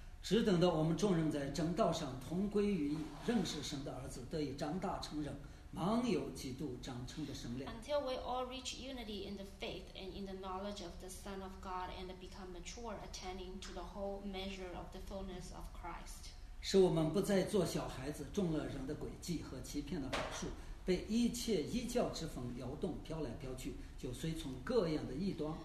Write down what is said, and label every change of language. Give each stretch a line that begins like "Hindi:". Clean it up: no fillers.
Chinese: 只等到我们众人在正道上同归于一，认识神的儿子，得以长大成人，满有基督长成的身量。
English: Until we all reach unity in the faith and in the knowledge of the Son of God and become mature, attaining to the whole measure of the fullness of Christ.
Chinese: 使我们不再做小孩子，中了人的诡计和欺骗的法术，被一切异教之风摇动，飘来飘去，就随从各样的异端。